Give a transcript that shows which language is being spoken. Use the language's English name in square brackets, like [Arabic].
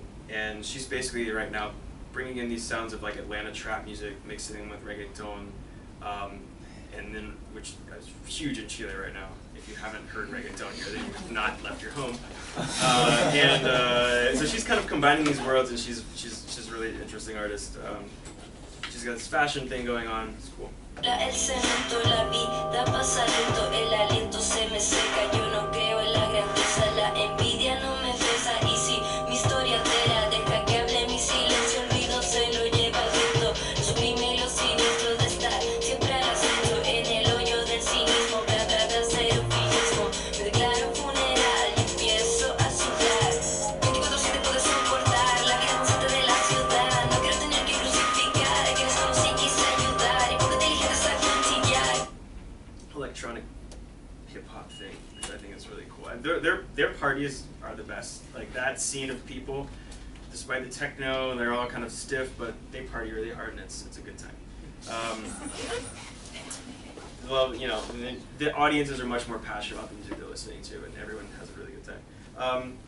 [English] And she's basically right now bringing in these sounds of like Atlanta trap music, mixing them with reggaeton, which is huge in Chile right now. If you haven't heard reggaeton here, then you've not left your home. So she's kind of combining these worlds, and she's really an interesting artist. She's got this fashion thing going on. It's cool. [Spanish] El cemento la vida pasa lento, el aliento se me seca, yo no creo en la grandeza, la envidia no me pesa, y si mi historia te la deja que hable mi silencio, olvido se lo lleva el viento, suprime los siniestros de estar siempre al acecho, en el hoyo del cinismo, trata de hacer un pillismo, me declaro un funeral y empiezo a sudar, 24-7 puedo soportar, la gente de la ciudad, no quiero tener que crucificar, que es como si quise ayudar, y porque te dije hasta fatigar. [English] Electronic hip-hop thing, which I think is really cool. And their parties are the best. Like, that scene of people, despite the techno, they're all kind of stiff, but they party really hard, and it's a good time. The audiences are much more passionate about the music they're listening to, and everyone has a really good time.